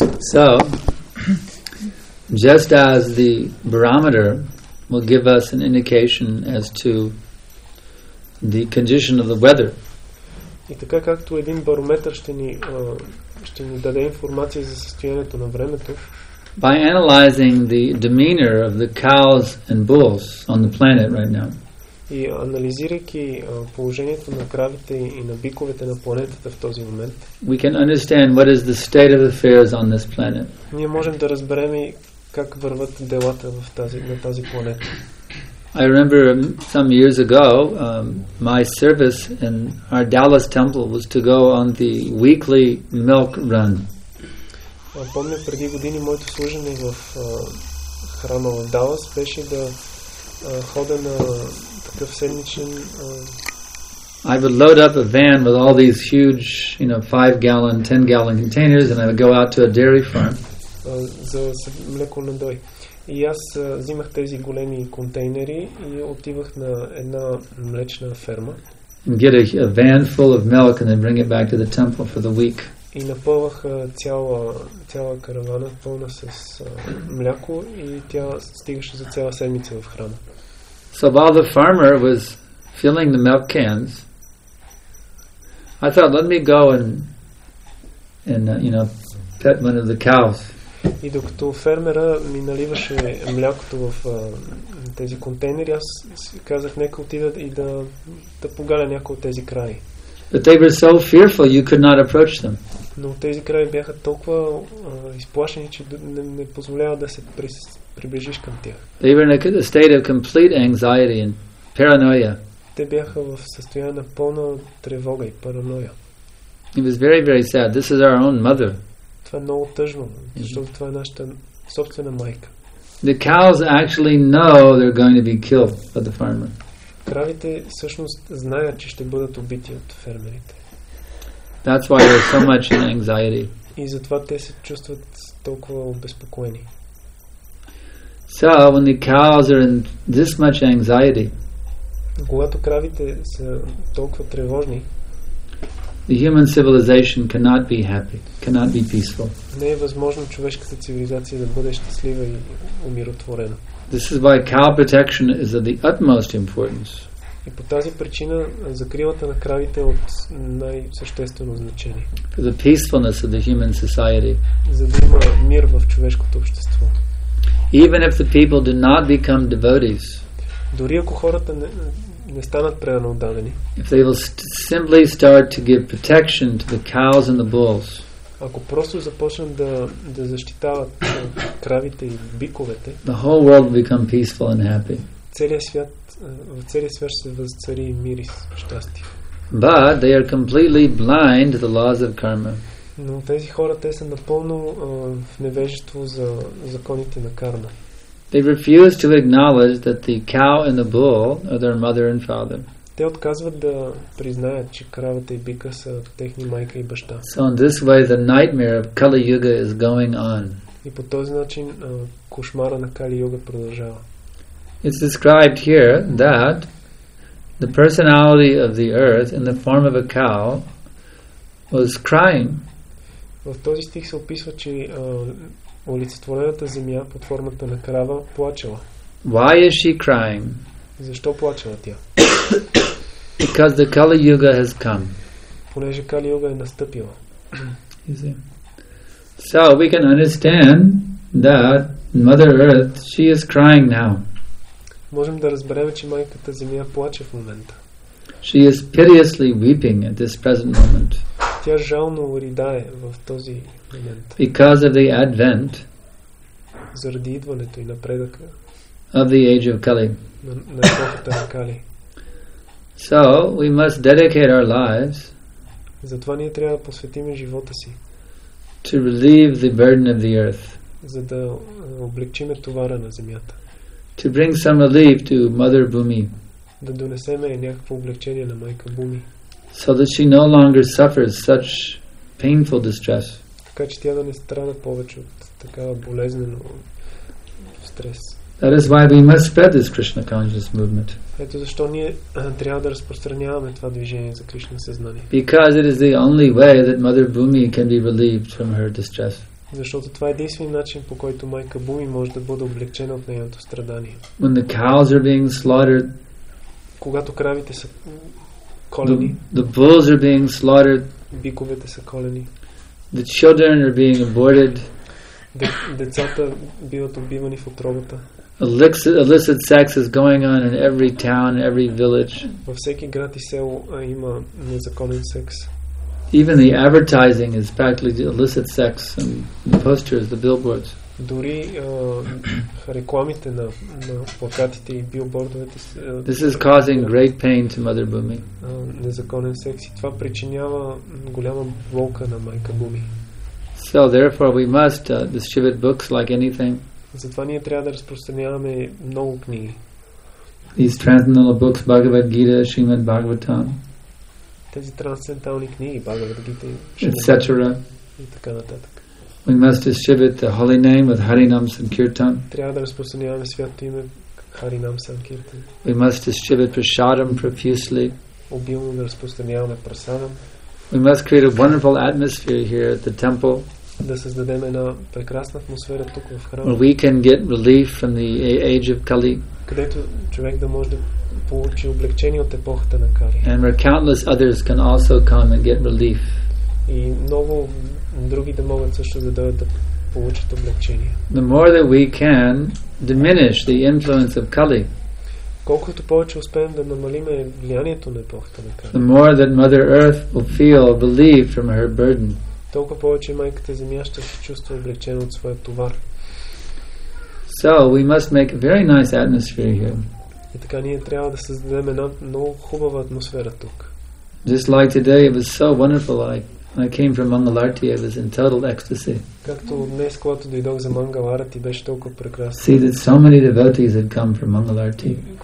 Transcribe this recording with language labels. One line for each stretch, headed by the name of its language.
English: So, just as the barometer will give us an indication as to the condition of the weather.
Bulgarian: И така както един барометър ще ни даде информация за състоянието на времето.
English: By analyzing the demeanor of the cows and bulls on the planet right now.
Bulgarian: И анализирайки положението на кравите и на биковете на планетата в този момент.
English: We can understand what is the state of affairs on this planet.
Bulgarian: Ние можем да разберем как върват делата в тази, на тази планета.
English: I remember some years ago my service in our Dallas temple was to go on the weekly milk run.
Bulgarian: Помня преди години моето служение в храма в Далас беше да ходя на такъв седмичен.
English: I would load up a van with all these huge, you know, 5-gallon, 10-gallon containers and I would go out to a dairy farm.
Bulgarian: За млеко надой. И аз взимах тези големи контейнери и отивах на една млечна ферма.
English: Get a van full of milk and then bring it back to the temple for the week.
Bulgarian: И напълвах цяла каравана пълна с мляко и тя стигаше за цяла седмица в храма.
English: So while the farmer was filling the milk cans, I thought, let me go and pet one of the cows.
Bulgarian: И докато фермера ми наливаше млякото в тези контейнери, аз казах, нека отида и да погаля някои от тези краи.
English: But they were so fearful, you could not approach them.
Bulgarian: Но тези краи бяха толкова изплашени, че не позволява да се приближиш към тях.
English: They were in a state of complete anxiety and paranoia.
Bulgarian: Те бяха в състояние на пълна тревога и параноя.
English: It was very, very sad. This is our own mother.
Bulgarian: Това е много тъжно, защото това е нашата собствена майка.
English: The cows actually know they're going to be killed by the farmer.
Bulgarian: Кравите всъщност знаят, че ще бъдат убити от фермерите.
English: That's why they're so much in anxiety.
Bulgarian: И затова те се чувстват толкова обезпокоени.
English: So when the cows are in this much anxiety,
Bulgarian: когато кравите са толкова тревожни,
English: the human civilization cannot be happy, cannot be peaceful.
Bulgarian: Не е възможно човешката цивилизация да бъде щастлива и умиротворена.
English: This is why cow protection is of the utmost importance.
Bulgarian: И по тази причина закрилата на кравите е от най-съществено значение.
English: For the peacefulness of the human society.
Bulgarian: За да има мир в човешкото общество.
English: Even if the people do not become devotees.
Bulgarian: Дори ако хората не станат преданоудавени.
English: If they will simply start to give protection to the cows and the bulls.
Bulgarian: Ако просто започнат да защитават кравите и биковете.
English: The whole world will become peaceful and happy.
Bulgarian: В целия свят ще се възцари мир и щастие.
English: But they are completely blind to the laws of karma.
Bulgarian: Но тези хора, те са напълно в невежество за законите на карма.
English: They refuse to acknowledge that the cow and the bull are their mother and father.
Bulgarian: Те отказват да признаят, че кравата и бика са техни майка и баща.
English: So in this way the nightmare of Kali Yuga is going on.
Bulgarian: И по този начин кошмара на Кали Юга продължава.
English: It's described here that the personality of the earth in the form of a cow was crying.
Bulgarian: В този стих се описва, че олицетворената земя под формата на крава плачела.
English: Why is she crying?
Bulgarian: Защо плачела тя?
English: Because the Kali Yuga has come.
Bulgarian: Понеже Кали Юга е настъпила.
English: So we can understand that Mother Earth, she is crying now.
Bulgarian: Можем да разберем, че майката земя плаче в момента.
English: She is piteously weeping at this present moment.
Bulgarian: Тя жално ридае в този момент.
English: Because of the advent,
Bulgarian: заради идването и напредъка,
English: of the age of Kali.
Bulgarian: На епохата на Кали.
English: So we must dedicate our lives.
Bulgarian: Затова ние трябва да посветим живота си.
English: To relieve the burden of the earth.
Bulgarian: За да облекчиме товара на земята.
English: To bring some relief to Mother Bhumi.
Bulgarian: Да донесеме някакво облекчение на майка Буми.
English: So that she no longer suffers such painful distress.
Bulgarian: Така че тя да не страда повече от такава болезнен стрес.
English: That is why we must spread this Krishna consciousness movement.
Bulgarian: Ето защо ние трябва да разпространяваме това движение за Кришна съзнание.
English: Because it is the only way that Mother Bhumi can be relieved from her distress.
Bulgarian: Защото това е единствен начин, по който майка Буми може да бъде облегчена от нейното страдание.
English: When the cows are being slaughtered,
Bulgarian: когато кравите са колени,
English: the bulls are being slaughtered,
Bulgarian: биковете са колени,
English: the children are being aborted,
Bulgarian: децата биват убивани в утробата,
English: illicit sex is going on in every town, every village.
Bulgarian: Във всеки град и село има незаконен секс.
English: Even the advertising is practically illicit sex and the posters, the billboards.
Bulgarian: Дори рекламите на плакатите и билбордовете.
English: This is causing great pain to Mother Bhumi.
Bulgarian: Незаконен секс, това причинява голяма болка на майка Буми.
English: So therefore we must distribute books like anything.
Bulgarian: Затова ние трябва да разпространяваме много книги.
English: These transcendental books, Bhagavad Gita, Srimad Bhagavatam.
Bulgarian: Тези трансцендентални книги, Бхагавад Гита,
English: etc.
Bulgarian: и така нататък.
English: We must distribute the holy name with Харинам Санкиртан.
Bulgarian: Трябва да разпространяваме свято име Харинам Санкиртан.
English: We must distribute прасадам profusely.
Bulgarian: Обилно да разпространяваме прасадам.
English: We must create a wonderful atmosphere here at the temple.
Bulgarian: Да създадем една прекрасна атмосфера тук в храма.
English: Where we can get relief from the age of Kali.
Bulgarian: Където човек да може да получи облегчение от епохата на Кали.
English: And where countless others can also come and get relief.
Bulgarian: И много други да могат също да дойдат да получат облегчение.
English: The more that we can diminish the influence of Kali.
Bulgarian: Колкото повече успеем да намалим влиянието на епохата на Кали.
English: The more that Mother Earth will feel relief from her burden.
Bulgarian: Толкова повече майката Земя ще се чувства облегчена от своя товар.
English: So we must make a very nice atmosphere here.
Bulgarian: И така ние трябва да създадем една много хубава атмосфера тук.
English: Just like today, it was so wonderful. I When I came from Mangalarti, I was in total ecstasy. See that so many devotees had come from Mangalarti.